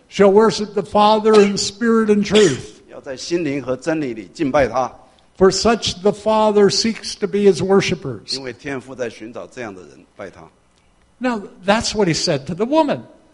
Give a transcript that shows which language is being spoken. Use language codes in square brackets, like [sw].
[en] shall worship the Father in spirit and truth. [zh] 要在心灵和真理里敬拜他, [en] for such the Father seeks to be his worshippers. [zh] 因为天父在寻找这样的人拜他。 [en] Now, that's what he said to the woman.